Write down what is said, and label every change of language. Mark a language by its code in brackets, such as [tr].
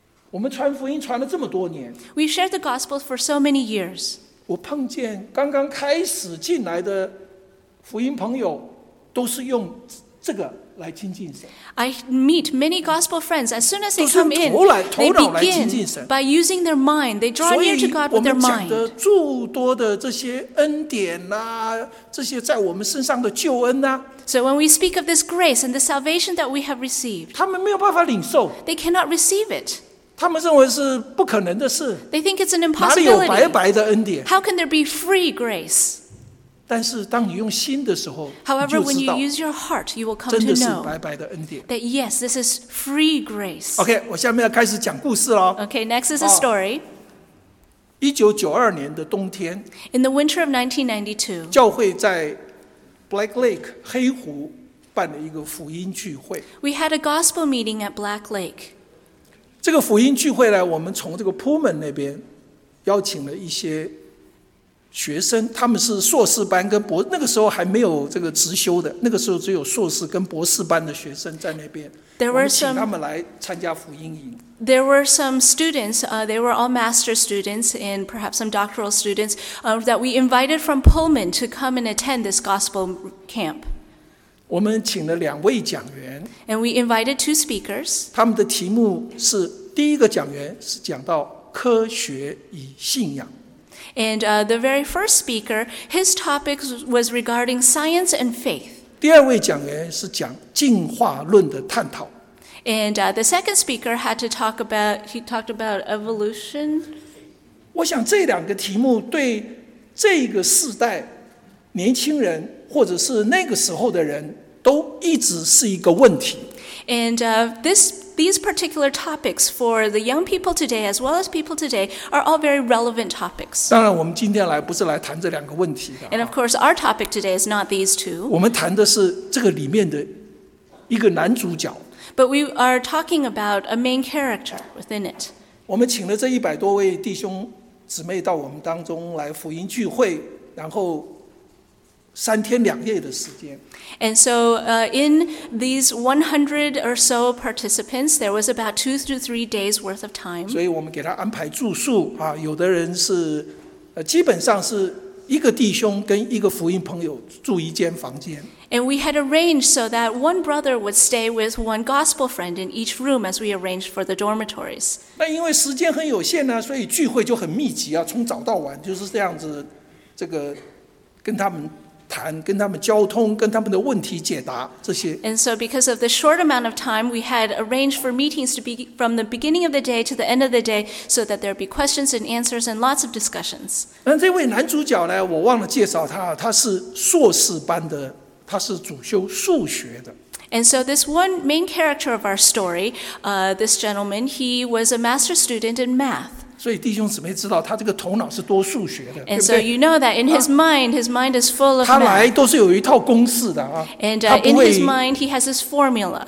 [zh] 我们传福音传了这么多年。 [en] We shared the gospel for so many years. [zh] 我碰见刚刚开始进来的福音朋友，都是用这个来亲近神。 [en] I meet many gospel friends. As soon as they come in, they begin by using their mind. They draw near to God with their mind. [zh] 所以我们讲的诸多的这些恩典啊，这些在我们身上的救恩啊。 [en] So when we speak of this grace and the salvation that we have received, [zh] 他们没有办法领受。 [en] They cannot receive it. [zh] 他们认为是不可能的事。 [en] They think it's an impossibility. [zh] 哪里有白白的恩典？ [en] How can there be free grace? [zh] 但是当你用心的时候 [en] However, when you use your heart, you will come to know that yes, this is free grace. [zh] OK, 我下面要开始讲故事了。 [en] OK, next is a story. [zh] 1992年的冬天 [en] In the winter of 1992, [zh] 教会在 Black Lake, 黑湖办了一个福音聚会。 [en] We had a gospel meeting at Black Lake. [zh] 这个福音聚会呢，我们从这个 Pullman 那边邀请了一些学生，他们是硕士班跟博，那个时候还没有这个直修的，那个时候只有硕士跟博士班的学生在那边。 [en] There were some, [zh] 我们请他们来参加福音营。 [en] There were some students, they were all master students and perhaps some doctoral students, that we invited from Pullman to come and attend this gospel camp. [zh] 我们请了两位讲员。 [en] And we invited two speakers. [zh] 他们的题目是第一个讲员是讲到科学与信仰。 [en] And the very first speaker, his topic was regarding science and faith. [zh] 第二位讲员是讲进化论的探讨。 [en] And the second speaker had to talk about, he talked about evolution. [zh] 我想这两个题目对这个世代年轻人或者是那个时候的人都一直是一个问题。 [en] And these particular topics for the young people today as well as people today are all very relevant topics. [zh] 当然我们今天来不是来谈这两个问题的。 [en] And of course our topic today is not these two. [zh] 我们谈的是这个里面的一个男主角。 [en] But we are talking about a main character within it. [zh] 我们请了这一百多位弟兄姊妹到我们当中来福音聚会，然后三天两夜的时间。 [en] And so, in these 100 or so participants, there was about 2 to 3 days worth of time. [zh] 所以我们给他安排住宿啊，有的人是，基本上是一个弟兄跟一个福音朋友住一间房间。 [en] And we had arranged so that one brother would stay with one gospel friend in each room as we arranged for the dormitories. [zh] 那因为时间很有限呢，所以聚会就很密集啊，从早到晚就是这样子，这个跟他们。谈跟他们交通，跟他们的问题解答这些。 [en] And so, because of the short amount of time, we had arranged for meetings to be from the beginning of the day to the end of the day, so that there be questions and answers and lots of discussions. [zh] 那这位男主角呢？我忘了介绍他，他是硕士班的，他是主修数学的。 [en] And so, this one main character of our story, this gentleman, he was a master student in math. [zh] 所以弟兄姊妹知道他这个头脑是多数学的 [en] And so you know that in his mind, his mind is full of math. [zh] 他来都是有一套公式的啊。 [en] And in his mind, he has his formula.